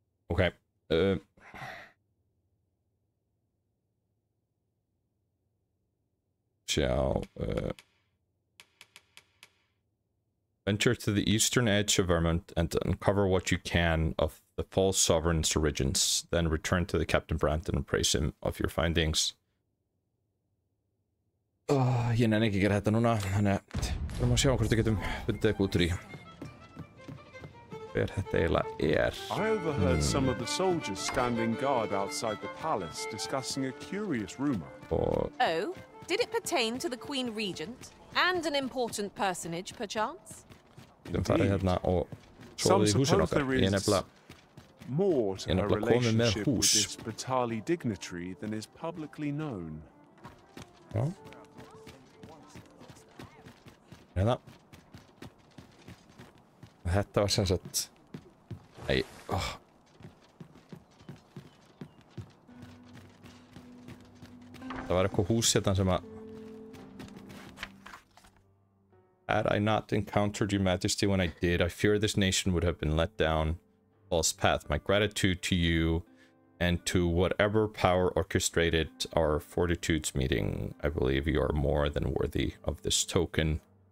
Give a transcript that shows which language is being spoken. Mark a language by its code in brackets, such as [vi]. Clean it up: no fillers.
[en] Ok, venture to the eastern edge of Vermont and uncover what you can of the false sovereign's origins, then return to the Captain Brandt and appraise him of your findings. [is] Ég nenni ekki gera þetta núna, þannig að við erum að sjá hvort við getum fundið eitthvað út úr í. Hver þetta eiginlega er? [en] I overheard some of the soldiers standing guard outside the palace discussing a curious rumor. Oh, did it pertain to the Queen Regent and an important personage, perchance? Indeed. Some suppose there is more to her relationship with this Batali dignitary than is publicly known. [is] Hérna. Þetta var sem sagt... Nei, Það var eitthvað hús hérna sem að... [en] Had I not encountered your majesty when I did, I fear this nation would have been let down false path. My gratitude to you and to whatever power orchestrated our fortitudes meeting. I believe you are more than worthy of this token.